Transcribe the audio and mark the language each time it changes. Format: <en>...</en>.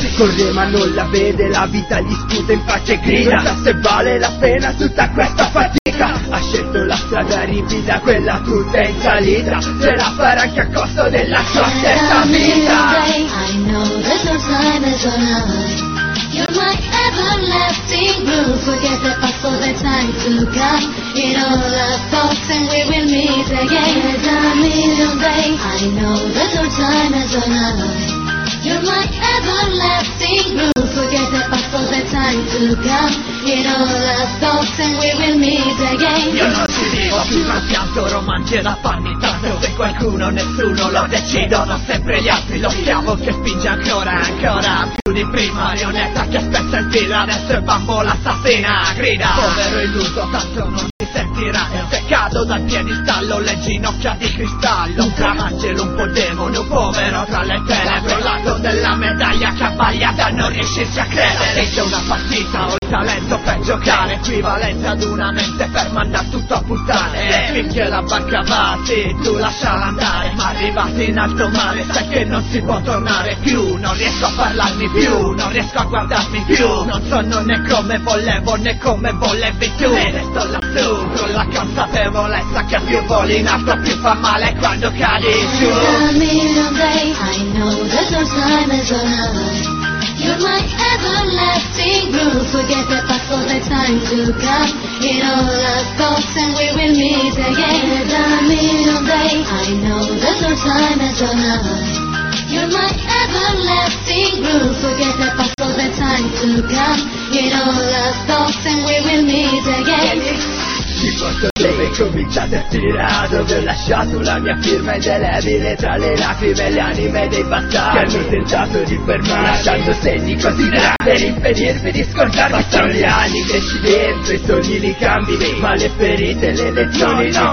<it>Corre ma non la vede, la vita gli sputa in faccia e grida. Non sa se vale la pena tutta questa fatica. Ha scelto la strada ripida, quella tutta in salita. Ce la farà anche a costo della sua stessa vita.</it> <en>You're my everlasting blue. Forget the past for the time to come. In all our thoughts and we will meet again. As a million days I know that our time has run out. You're my everlasting blue. Forget the past for the time to come. In all our thoughts and we will meet again.</en> <it>Io non ci vivo più, ma pianto romanzi da panni. Tanto se qualcuno, nessuno lo decidono sempre gli altri. Lo schiavo che spinge ancora, ancora più di prima. Marionetta che spezza il filo, adesso è bambola assassina. Grida, povero illuso, tanto non si sentirà. Se cado dal piedistallo, le ginocchia di cristallo. Un tramangelo, un po' demone, un povero tra le tenebre. Un lato della medaglia che abbaglia da non riuscirsi a credere. C'è una partita, ho il talento per giocare. Equivalente ad una mente per mandar tutto a puttane. Finché la barca va, sì, tu lasciala andare. Ma arrivati in alto mare, sai che non si può tornare più. Non riesco a parlarmi più, non riesco a guardarmi più. Non sono né come volevo, né come volevi tu. E resto lassù, con la campagna. Consapevolezza che più voli in alto più fa male quando cadi giù.</it> <en>A million days I know that your time is on high. You're my everlasting blue. Forget the past for the time to come. In all our thoughts and we will meet again. And a million days I know that your time is on high. You're my everlasting blue. Forget the past for the time to come. In all our thoughts and we will meet again.</en> <it>Ti porto dove è cominciato a tirare. Dove ho lasciato la mia firma indelebile. Tra le lacrime e le anime dei bastardi che hanno tentato di fermarmi. Lasciando segni così grandi per impedirmi di scordarmi. Ma sono gli anni cresci dentro, i sogni li cambi. Ma le ferite, le lezioni, no, no.</it>